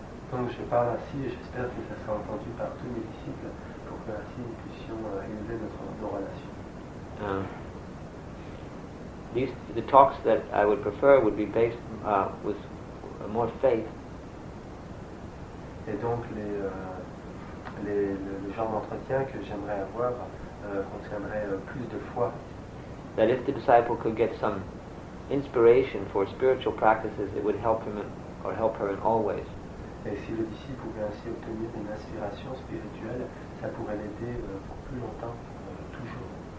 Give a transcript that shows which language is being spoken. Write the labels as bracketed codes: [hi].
[fr] Donc je parle ainsi et j'espère que ça sera entendu par tous mes disciples pour que ainsi nous puissions élever nos relations. [en] The talks that I would prefer would be based with more faith. [fr] Et donc le genre d'entretien que j'aimerais avoir contiendrait plus de foi. [en] That if the disciple could get some inspiration for spiritual practices, it would help him or help her in all ways. [fr] Et si le disciple pouvait ainsi obtenir une inspiration spirituelle, ça pourrait l'aider pour plus longtemps, toujours.